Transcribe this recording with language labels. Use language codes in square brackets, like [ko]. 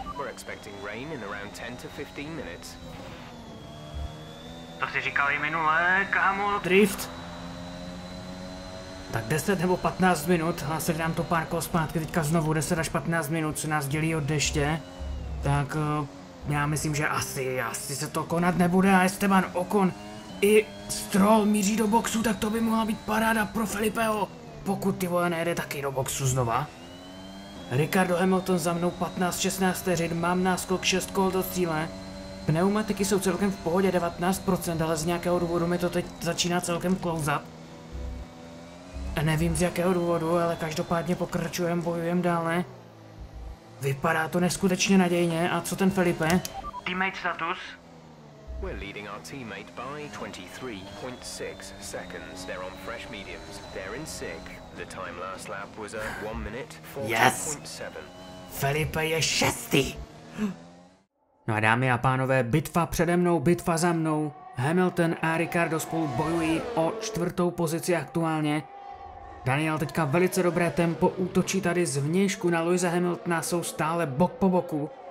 [en] Expecting rain in around 10 to 15 minutes. [cs] To si říkal i minule, kámo. Drift. Tak 10 nebo 15 minut, hlásili nám to pár kol zpátky, teďka znovu 10 až 15 minut, co nás dělí od deště. Tak já myslím, že asi se to konat nebude a Esteban Ocon i Stroll míří do boxu, tak to by mohla být paráda pro Felipeho, pokud ty vole nejde taky do boxu znova. Ricardo Hamilton za mnou 15-16 vteřin, mám náskok 6 kol do cíle. Pneumatiky jsou celkem v pohodě 19%, ale z nějakého důvodu mi to teď začíná celkem klouzat. Nevím z jakého důvodu, ale každopádně pokračujem, bojujem dále. Vypadá to neskutečně nadějně, a co ten Felipe? [en] Teammate status? We're leading our teammate by 23.6 seconds. They're on fresh mediums. They're in sick. The time last lap was a 1 minute 40.7. Yes. [cs] Felipe je šestý. No a dámy a pánové, bitva přede mnou, bitva za mnou. Hamilton a Ricardo spolu bojují o čtvrtou pozici aktuálně. Daniel teďka velice dobré tempo, útočí tady zvnějšku na Lewise Hamiltona, jsou stále bok po boku.